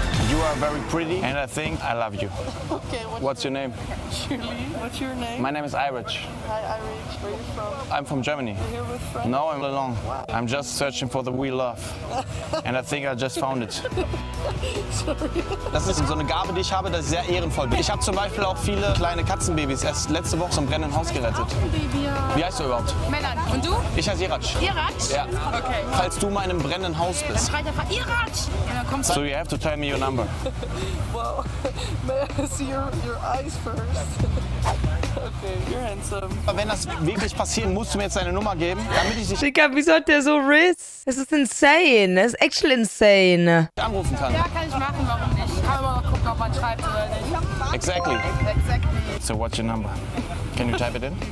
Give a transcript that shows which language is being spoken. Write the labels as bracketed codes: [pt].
[en] You are very pretty and I think I love you. Okay, what's your name? Julie, what's your name? My name is Irish. Hi Irish, where are you from? I'm from Germany. You're here with friends? No, I'm alone. Wow. I'm just searching for the real love. And I think I just found it. Sorry. [de] Das ist so eine Gabe, die ich habe, dass ich sehr ehrenvoll bin. Ich habe zum Beispiel auch viele kleine Katzenbabys erst letzte Woche zum brennenden Haus gerettet. Wie heißt du überhaupt? Melan. Und du? Ich heiße Irac. Irac? Ja. Okay. Falls du mal in einem brennenden Haus bist. Dann schreit einfach Irac! Und dann kommst du. [en] So, you have to tell me your number. Well, may I see your eyes first? Okay, you're handsome. [de] Aber wenn das wirklich passiert, musst du mir jetzt deine Nummer geben, damit ich dich... Digga, wieso hat der so Riss? Es ist insane. Es ist actually insane. Anrufen kann. Ja, kann ich machen. Warum nicht? Ich kann aber mal gucken, ob man schreibt oder nicht. [en] Exactly. Exactly. So, what's your number? Can you type it in?